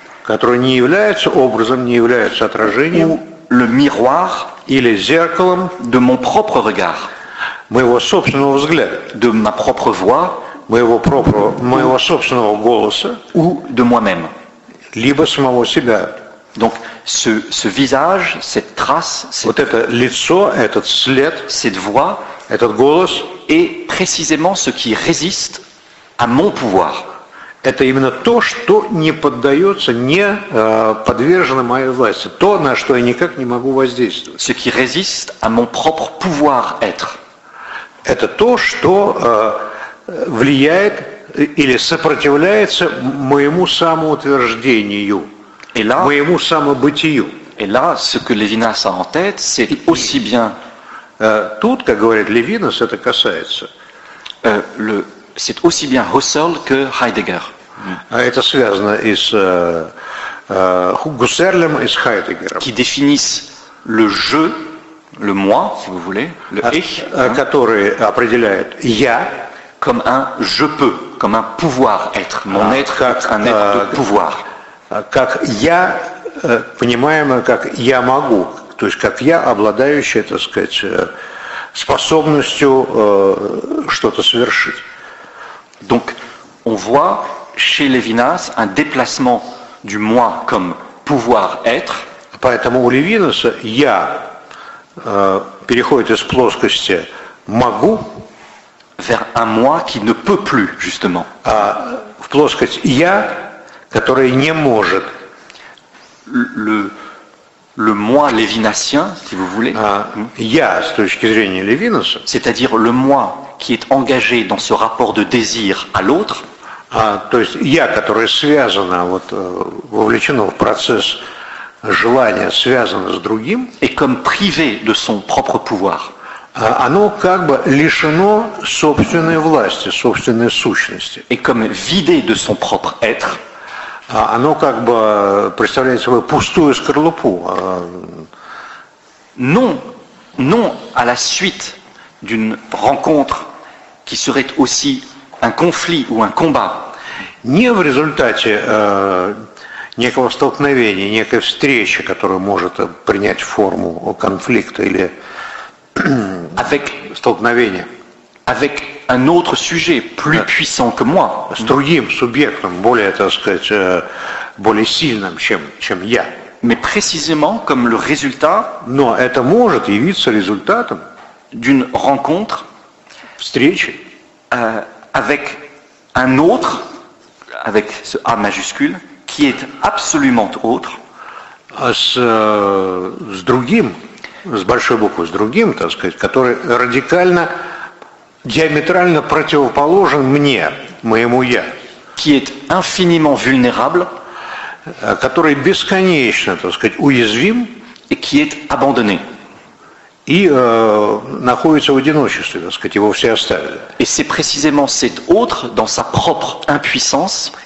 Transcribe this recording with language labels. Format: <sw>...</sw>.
<ru>которые не являются образом, не являются отражением</ru> <fr>le miroir</fr> <ru>или зеркалом</ru> <fr>de mon propre regard,</fr> <ru>моего собственного взгляда,</ru> <fr>de ma propre voix,</fr> <ru>моего собственного голоса</ru> <fr>ou de moi-même,</fr> <ru>либо самого себя.</ru> <fr>Donc ce visage, cette trace,</fr> <ru>вот это лицо, этот след,</ru> <fr>cette voix,</fr> <ru>этот голос</ru> <fr>est précisément ce qui résiste à mon pouvoir.</fr> <ru>Это именно то, что не поддается, не подвержено моей власти. То, на что я никак не могу воздействовать.</ru> <fr>Ce qui résiste à mon propre pouvoir être.</fr> <ru>Это то, что влияет или сопротивляется моему самоутверждению,</ru> <fr>et là,</fr> <ru>моему самобытию.</ru> <fr>Et là, ce que Levinas a en tête, c'est aussi bien...</fr> <ru>Тут, как говорит Левинас, это касается...</ru> <fr>C'est aussi bien Husserl que Heidegger.</fr> <ru>Это связано и с Гуссерлем, и с Хайдеггером.</ru> <fr>Qui définissent le je, le moi, si vous voulez, le ich.</fr> <ru>Который определяет я.</ru> <fr>Comme un je peux, comme un pouvoir être. Mon être</fr> <ru>как,</ru> <fr>être un être de pouvoir.</fr> <ru>Как я, понимаемое, как я могу. То есть как я, обладающий, так сказать, способностью что-то совершить.</ru> <fr>Donc, on voit chez Levinas un déplacement du moi comme pouvoir-être.</fr> <ru>Поэтому у Левинаса я переходит из плоскости могу</ru> <fr>vers un moi qui ne peut plus, justement.</fr> <ru>А в плоскость я, который не может.</ru> <fr>Le moi levinasien, si vous voulez.</fr> <ru>Я, с точки зрения Левинаса.</ru> <fr>C'est-à-dire le moi qui est engagé dans ce rapport de désir à l'autre.</fr> <ru>То есть я, которое связано, вот, вовлечено в процесс желания, связано с другим.</ru> <fr>Et comme privé de son propre pouvoir.</fr> <ru>Оно как бы лишено собственной власти, собственной сущности.</ru> <fr>Et comme vidé de son propre être.</fr> <ru>оно как бы представляет собой пустую скорлупу.</ru> <fr>Non, à la suite d'une rencontre qui serait aussi un conflit ou un combat.</fr> <ru>Не в результате некого столкновения, некой встречи, которая может принять форму конфликта или столкновения.</ru> <fr>Avec un autre sujet plus puissant que moi.</fr> <ru>С другим субъектом, более, так сказать, более сильным, чем я.</ru> <fr>Mais précisément comme le résultat.</fr> <ru>Но это может явиться результатом</ru> <fr>d'une rencontre,</fr> <ru>встречи,</ru> <fr>avec un autre, avec ce A majuscule, qui est absolument autre.</fr> <ru>С другим, с большой буквы, с другим, так сказать, который радикально диаметрально противоположен мне, моему я,</ru> <fr>qui est infiniment vulnérable,</fr> <ru>который бесконечно, так сказать, уязвим,</ru> <fr>et qui est abandonné.</fr> <ru>И находится в одиночестве, так сказать, его все оставили.</ru> <fr>Et c'est précisément cet autre dans sa propre impuissance,</fr>